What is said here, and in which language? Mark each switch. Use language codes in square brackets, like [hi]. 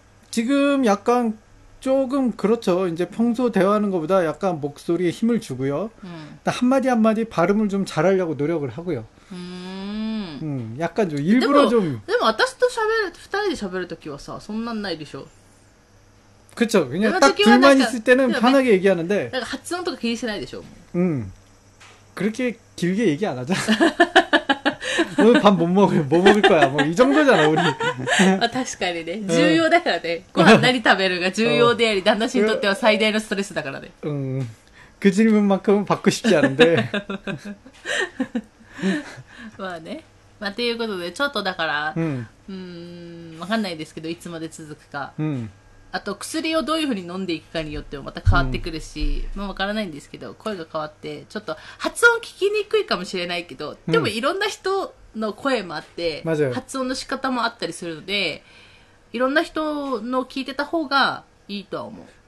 [ko] 지금약간조금그렇죠이제평소대화하는것보다약간목소리에힘을주고요한마디한마디발음을좀잘하려고노력을하고요약간좀일부러좀 [ja] でも私と喋る2人で喋る時はさそんなんないでしょ。 [ko] 그쵸그냥딱둘만있을때는편하게얘기하는데 [ja] なんか発音とか気にしないでしょ。 [ko] 그렇게길게얘기안하잖아 오늘밥못먹을뭐먹을거야뭐이정도잖아우리 [ja] 아確かにね중요だからね。ご飯何食べるが重要であり旦那氏にとっては最大のストレスだからね。 [ko] 그질문만큼은받고싶지않은데 [ja] まあね、まあということでちょっとだから、わかんないですけどいつまで続くか、あと薬をどういうふうに飲んでいくかによってもまた変わってくるし、まあわからないんですけど、声が変わってちょっと発音聞きにくいかもしれないけど、でもいろんな人の声もあって発音の仕方もあったりするので、いろんな人の聞いてた方がいいとは思う。